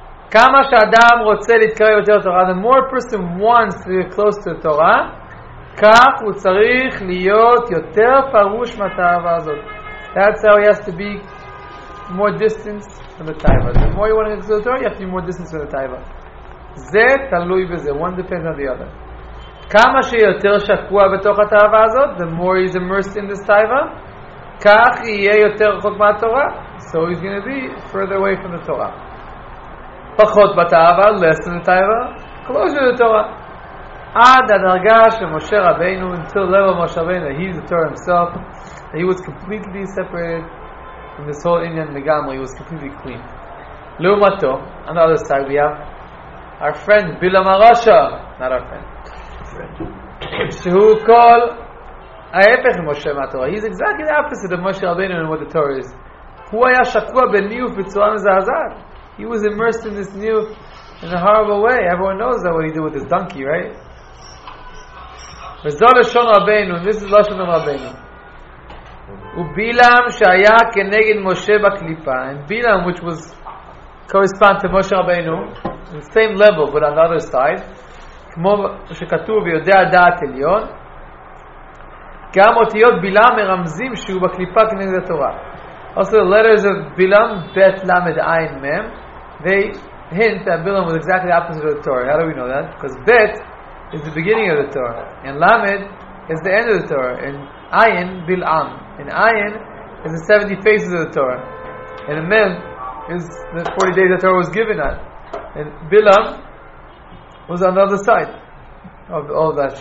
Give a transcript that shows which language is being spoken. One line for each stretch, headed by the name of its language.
Hebrew: Kama sha'adam rotze litkarev yoter Torah, the more a person wants to get close to the Torah, כך הוא צריך להיות יותר פרוש מהתאווה הזאת.
English: That's how he has to be more distance from the taiva. The more you want to get to the Torah, you have to be more distance from the taiva. זה תלוי בזה. One depends on the other.
Hebrew: כמה שיותר שקוע בתוך התאווה הזאת, the more he's immersed in this taiva, כך יהיה יותר רחוק מהתורה.
English: So he's going to be further away from the Torah. פחות בתאווה, less than the taiva, closer to the Torah. עד הדרגה שמשה רבינו, until the level of Moshe Rabbeinu, that he's the Torah himself, that he was completely separated from this whole Indian Megamah, he was completely clean. Lumato, on the other side, we have our friend Bilam HaRasha. Not our friend. Shehu kol ha'efech Moshe ma'Torah. He's exactly the opposite of Moshe Rabbeinu and what the Torah is. Hu haya shakua b'niuf b'tzorah mezahazat. He was immersed in this niuf in a horrible way. Everyone knows that what he did with his donkey, right?
Hebrew: וזו לשון רבינו, this is לשון רבינו. ובילם שהיה כנגד משה בקליפה, and Bilam, which was correspond to Moshe Rabbeinu, the same level, but on the other side, כמו שכתוב, יודע דעת עליון, גם אותיות בילם מרמזים שהוא בקליפה כנגד התורה.
English: Also the letters of Bilam, bet, lamed, ayin, mem, they hint that Bilam was exactly opposite of the Torah. How do we know that? Because bet, is the beginning of the Torah, and Lamed is the end of the Torah, and Ayin Bil'am, and Ayin is the 70 phases of the Torah, and Mem is the 40 days the Torah was given at, and Bil'am was on the other side of all of that.